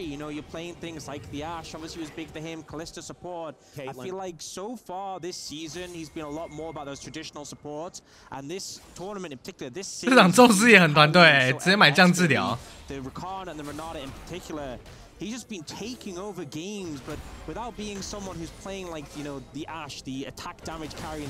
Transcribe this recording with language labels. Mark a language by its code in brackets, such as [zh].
[en] You know, you're playing things like the Ash. Obviously, was big for him. Kalista support. Caitlin. I feel like so far this season, he's been a lot more about those traditional supports. And this tournament in particular, this season. [zh] 这场宙斯也很团队，直接买降治疗。 [en] The Rakan and the Renata in particular, he's just been taking over games, but without being someone who's playing like you know the Ash, the attack damage carry.